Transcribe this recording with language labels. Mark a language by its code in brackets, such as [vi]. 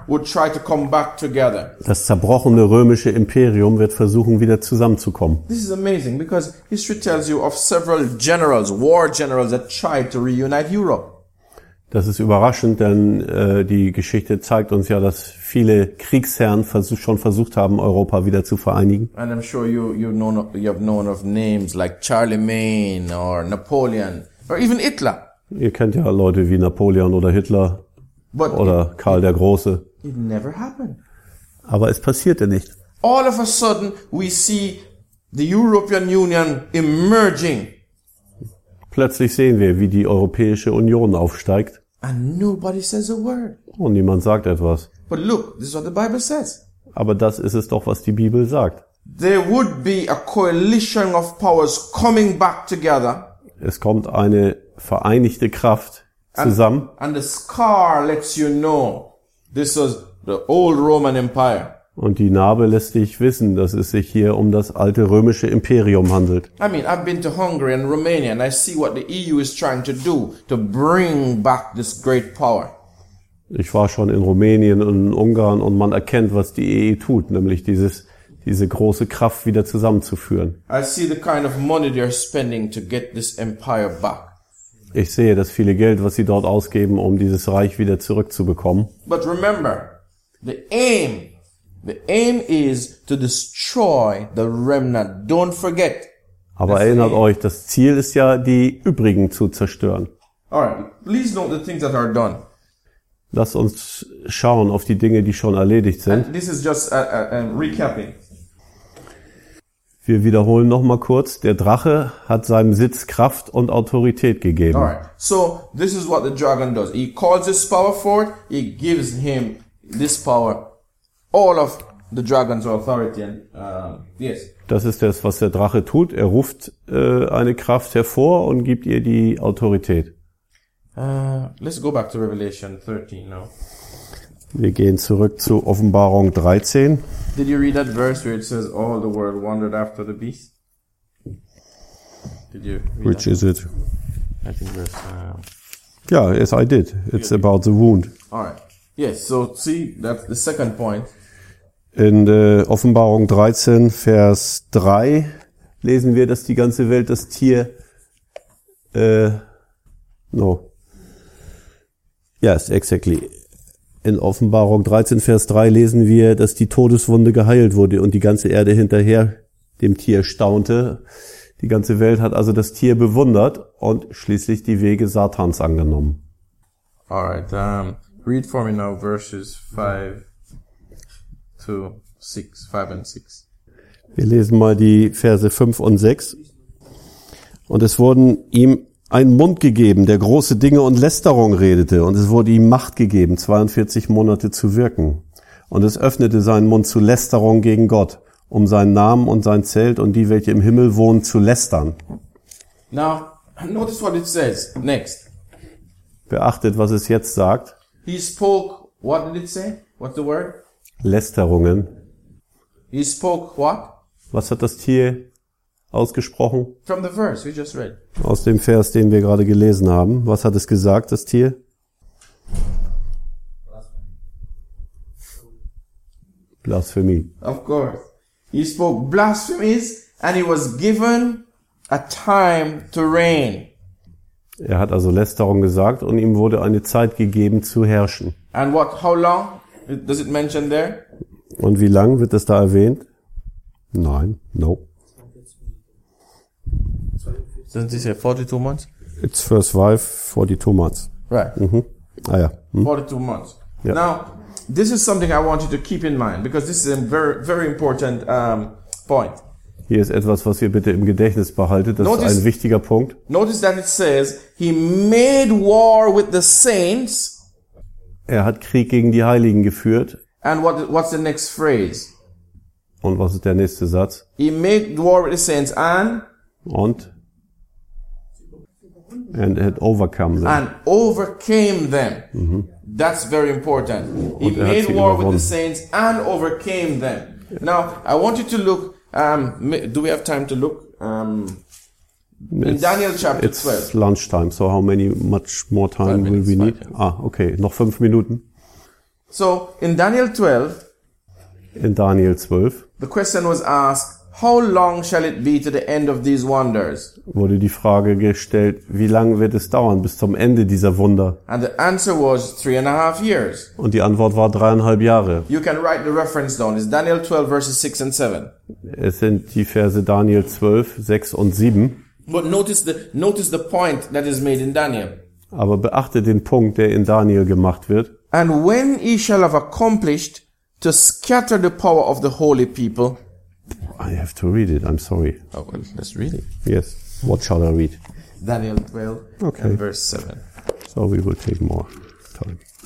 [de] Das zerbrochene römische Imperium wird versuchen, wieder zusammenzukommen. [en] This is amazing because history tells you of several generals, war generals that tried to reunite Europe. [de] Das ist überraschend, denn die Geschichte zeigt uns ja, dass viele Kriegsherren schon versucht haben, Europa wieder zu vereinigen. [en] And I'm sure you have known of names like Charlemagne or Napoleon or even Hitler. [de] Ihr kennt ja Leute wie Napoleon oder Hitler oder Karl der Große. [en] It never happened. [de] Aber es passierte nicht. [en] All of a sudden we see the European Union emerging. [de] Plötzlich sehen wir, wie die Europäische Union aufsteigt. [en] And nobody says a word. [de] Und niemand sagt etwas. [en] But look, this is what the Bible says. [de] Aber das ist es doch, was die Bibel sagt. [en] There would be a coalition of powers coming back together. [de] Es kommt eine vereinigte Kraft zusammen. [en] And the scar lets you know this was the old Roman Empire. [de] Und die Narbe lässt dich wissen, dass es sich hier um das alte römische Imperium handelt. [en] I mean, I've been to Hungary and Romania and I see what the EU is trying to do to bring back this great power. [de] Ich war schon in Rumänien und in Ungarn und man erkennt, was die EU tut, nämlich diese große Kraft wieder zusammenzuführen. [en] I see the kind of money they're spending to get this empire back. [de] Ich sehe das viele Geld, was sie dort ausgeben, um dieses Reich wieder zurückzubekommen. [en] But remember, the aim is to destroy the remnant. Don't forget. [de] Aber erinnert euch, das Ziel ist ja, die übrigen zu zerstören. [en] All right, please note the things that are done. [de] Lass uns schauen auf die Dinge, die schon erledigt sind. [en] And this is just a recapping. [de] Wir wiederholen noch mal kurz, der Drache hat seinem Sitz Kraft und Autorität gegeben. [en] All right. So this is what the dragon does. He calls his power forth, he gives him this power, all of the dragon's authority. And, yes. [de] Das ist das, was der Drache tut. Er ruft eine Kraft hervor und gibt ihr die Autorität. [en] Let's go back to Revelation 13 now. [de] Wir gehen zurück zu Offenbarung 13. [en] Did you read that verse where it says all the world wandered after the beast? Did you read Which that? Is it? I think verse. Yeah, yes, I did. It's good. About the wound. All right. Yes. So see, that's the second point. [de] In Offenbarung 13, Vers 3, lesen wir, dass die ganze Welt das Tier. [en] No. Yes, exactly. [de] In Offenbarung 13, Vers 3 lesen wir, dass die Todeswunde geheilt wurde und die ganze Erde hinterher dem Tier staunte. Die ganze Welt hat also das Tier bewundert und schließlich die Wege Satans angenommen. [en] All right, read for me now verses 5 and 6. [de] Wir lesen mal die Verse 5 und 6. Und es wurden ihm ein Mund gegeben, der große Dinge und Lästerung redete, und es wurde ihm Macht gegeben, 42 Monate zu wirken. Und es öffnete seinen Mund zu Lästerung gegen Gott, um seinen Namen und sein Zelt und die, welche im Himmel wohnen, zu lästern. [en] Now, notice what it says next. [de] Beachtet, was es jetzt sagt. [en] He spoke, what did it say? What's the word? [de] Lästerungen. [en] He spoke what? [de] Was hat das Tier ausgesprochen? [en] From the verse we just read. [de] Aus dem Vers, den wir gerade gelesen haben. Was hat es gesagt, das Tier? [en] Blasphemy. Of course. He spoke blasphemies and he was given a time to reign. [de] Er hat also Lästerung gesagt und ihm wurde eine Zeit gegeben zu herrschen. [en] And what, how long does it mention there? [de] Und wie lang wird das da erwähnt? Nein, no. [en] Doesn't it say 42 months? It's first wife, 42 months. Right. Mm-hmm. Ah, ja. Mm-hmm. 42 months. Yeah. Now, this is something I want you to keep in mind, because this is a very, very important point. [de] Hier ist etwas, was ihr bitte im Gedächtnis behaltet. Das notice, ist ein wichtiger Punkt. [en] Notice that it says, he made war with the saints. [de] Er hat Krieg gegen die Heiligen geführt. [en] And what's the next phrase? [de] Und was ist der nächste Satz? [en] He made war with the saints and? [de] Und? [en] And had overcome them. And overcame them. Mm-hmm. That's very important. He made war [de] überwunden. [en] With the saints and overcame them. Yeah. Now, I want you to look, do we have time to look? In Daniel chapter 12. It's lunchtime, so how many much more time will we need? [de] Ah, okay, noch 5 Minuten. [en] So, in Daniel 12. [de] In Daniel 12. [en] The question was asked, how long shall it be to the end of these wonders? [de] Wurde die Frage gestellt, wie lange wird es dauern bis zum Ende dieser Wunder? [en] And the answer was 3.5 years. [de] Und die Antwort war 3.5 Jahre. [en] You can write the reference down. It's Daniel 12 verses 6 and 7. [de] Es sind die Verse Daniel 12, 6 und 7. [en] But notice the point that is made in Daniel. [de] Aber beachte den Punkt, der in Daniel gemacht wird. [en] And when he shall have accomplished to scatter the power of the holy people. I have to read it, I'm sorry. Oh, well, let's read it. Yes, what shall I read? Daniel 12, okay. And verse 7. So we will take more time.